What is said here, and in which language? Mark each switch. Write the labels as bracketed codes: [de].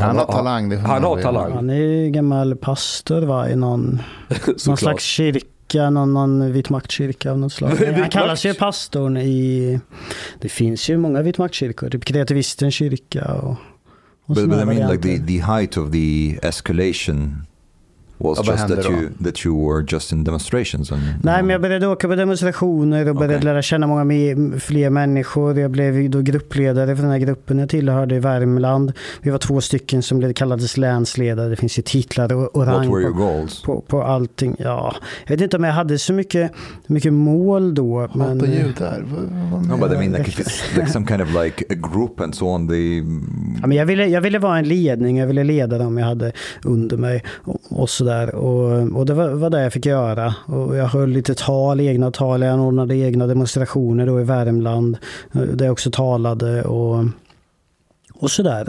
[sv] Han har talang. Han är ju gammal pastor va, i någon slags kyrka, någon vitmaktkyrka av något slag. Han kallas ju pastorn i, det finns ju många vitmaktkyrkor, typ Kreativistens kyrka och [en] But I mean varianter. Like the height of the escalation was just that you were just in demonstrations and, [sv] Nej, men jag började åka på demonstrationer och började lära känna många fler människor. Jag blev då gruppledare för den här gruppen jag tillhörde i Värmland. Vi var två stycken som blev kallades länsledare. Det finns ju titlar och rang på allting. Ja, jag vet inte om jag hade så mycket mål då, men på ljud där. [en] No, but I mean like if it's like some kind of like a group and so on, [sv] Ja, men jag ville vara en ledning. Jag ville leda dem jag hade under mig och så där. Och det var det jag fick göra. Och jag höll lite tal, egna tal. Jag ordnade egna demonstrationer då i Värmland där jag också talade och så där.